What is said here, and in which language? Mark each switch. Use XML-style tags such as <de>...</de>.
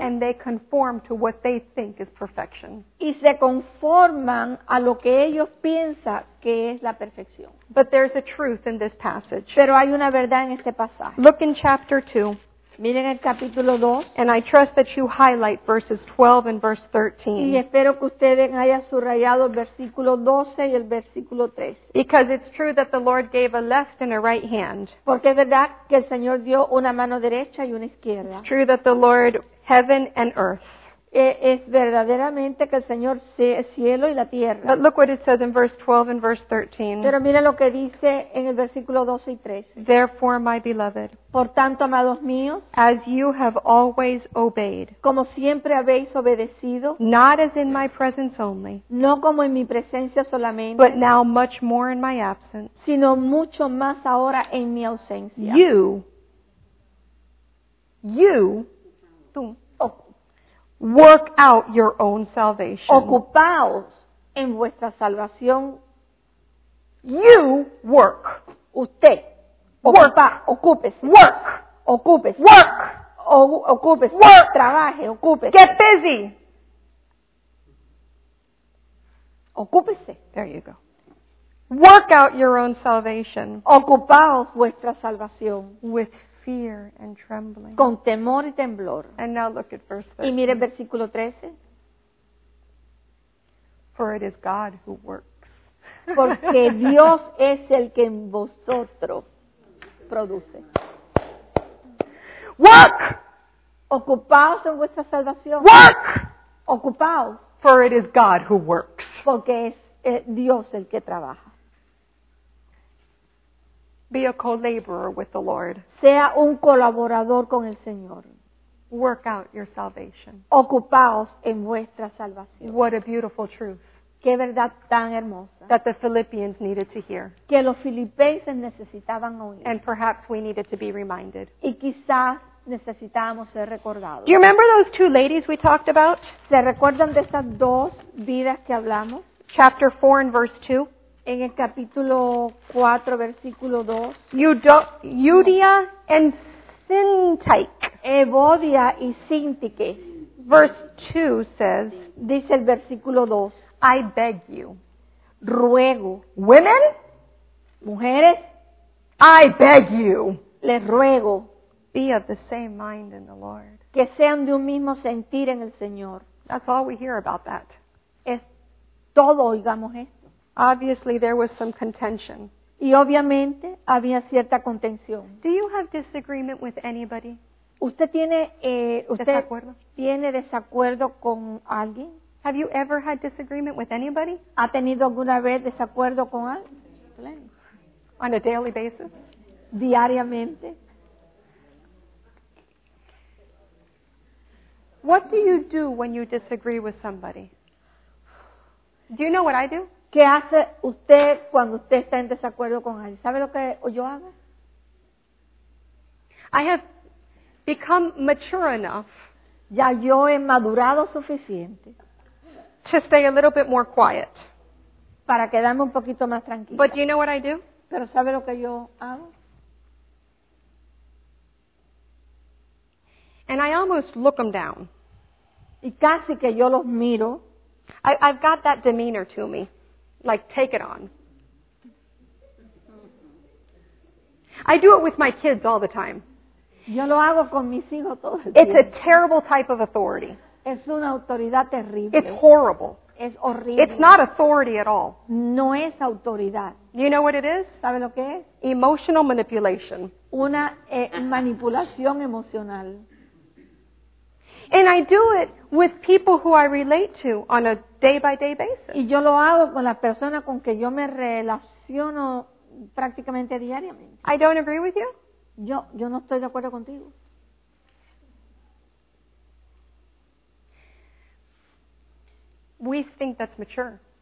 <en>and they conform to what they think is perfection.</en> <es>Y se conforman a lo que ellos piensan que es la perfección.</es> <en>But there's a truth in this passage.</en> <es>Pero hay una verdad en este pasaje.</es> <en>Look in chapter 2.</en> <es>Miren el capítulo 2.</es> <en>And I trust that you highlight verses 12 and verse 13.</en> <es>Y espero que ustedes hayan subrayado el versículo 12 y el versículo 13.</es> <en>Because it's true that the Lord gave a left and a right hand.</en> <es>Porque es verdad que el Señor dio una mano derecha y una izquierda.</es> <en>It's true that the Lord, heaven and earth.</en> <es>Es verdaderamente que el Señor sea cielo y la tierra.</es> <en>But look what it says in verse 12 and verse 13.</en> <es>Pero miren lo que dice en el versículo 12 y 13.</es> <en>Therefore, my beloved,</en> <es>por tanto, amados míos,</es> <en>as you have always obeyed,</en> <es>como siempre habéis obedecido,</es> <en>not as in my presence only,</en> <es>no como en mi presencia solamente,</es> <en>but now much more in my absence,</en> <es>sino mucho más ahora en mi ausencia.</es> <en>You,</en> <es>tú,</es> <en>work out your own salvation.</en> <es>Ocupaos en vuestra salvación.</es> <en>You work.</en> <es>Usted. Ocupa. Ocúpese.</es> <en>Work.</en> <es>Ocúpese.</es> <en>Work.</en> <es>Ocúpese.</es> <en>Work.</en> <es>Trabaje. Ocúpese.</es> <en>Get busy.</en> <es>Ocúpese.</es> <en>There you go. Work out your own salvation.</en> <es>Ocupaos vuestra salvación.</es> <en>With fear and trembling.</en> <es>Con temor y temblor.</es> <en>And now look at verse 13.</en> <es>Y mire el versículo 13.</es> <en>For it is God who works.</en> <es>Porque Dios es el que en vosotros produce.</es> <en>Work!</en> <es>Ocupaos en vuestra salvación.</es> <en>Work!</en> <es>Ocupaos.</es> <en>For it is God who works.</en> <es>Porque es Dios el que trabaja.</es> <en>Be a co-laborer with the Lord.</en> <es>Sea un colaborador con el Señor.</es> <en>Work out your salvation.</en> <es>Ocupaos en vuestra salvación.</es> <en>What a beautiful truth.</en> <es>Qué verdad tan hermosa.</es> <en>That the Philippians needed to hear.</en> <es>Que los filipenses necesitaban oír.</es> <en>And perhaps we needed to be reminded.</en> <es>Y quizás necesitábamos ser recordados.</es> <en>Do you remember those two ladies we talked about?</en> <es>¿Se recuerdan de esas dos vidas que hablamos?</es> <en>Chapter 4 and verse 2.</en> <es>En el capítulo 4, versículo</es> <en>2. Eudia and Syntyche.</en> <es>Evodia y Syntyche.</es> <en>Verse 2 says.</en> <es>Dice el versículo 2.</es> <en>I beg you.</en> <es>Ruego.</es> <en>Women.</en> <es>Mujeres.</es> <en>I beg you.</en> <es>Les ruego.</es> <en>Be of the same mind in the Lord.</en> <es>Que sean de un mismo sentir en el Señor.</es> <en>That's all we hear about that.</en> <es>Es todo oigamos esto.</es> <en>Obviously, there was some contention.</en> <es>Y obviamente, había cierta contención.</es> <en>Do you have disagreement with anybody?</en> <es>¿Usted tiene, tiene desacuerdo con alguien?</es> <en>Have you ever had disagreement with anybody?</en> <es>¿Ha tenido alguna vez desacuerdo con alguien?</es> <en>On a daily basis?</en> <es>Diariamente.</es> <en>What do you do when you disagree with somebody? Do you know what I do?</en> <es>¿Qué hace usted cuando usted está en desacuerdo con alguien? ¿Sabe lo que yo hago?</es> <en>I have become mature enough.</en> <es>Ya yo he madurado suficiente.</es> <en>To stay a little bit more quiet.</en> <es>Para quedarme un poquito más tranquila.</es> <en>But do you know what I do?</en> <es>¿Pero sabe lo que yo hago?</es> <en>And I almost look them down.</en> <es>Y casi que yo los miro.</es> <en>I've got that demeanor to me. Like, take it on. I do it with my kids all the time.</en> <es>Yo lo hago con mis hijos todo el tiempo.</es> <en>It's a terrible type of authority.</en> <es>Es una autoridad terrible.</es> <en>It's horrible.</en> <es>Es horrible.</es> <en>It's not authority at all.</en> <es>No es autoridad.</es> <en>You know what it is?</en> <es>¿Sabe lo que es?</es> <en>Emotional manipulation.</en> <es>Una manipulación emocional.</es> <en>And I do it with people who I relate to on a day-by-day basis.</en> <es>Y yo lo hago con las personas con que yo me relaciono prácticamente diariamente.</es> <en>I don't agree with you.</en> <es>Yo no estoy de acuerdo contigo.</es> <en>We think that's mature.</en>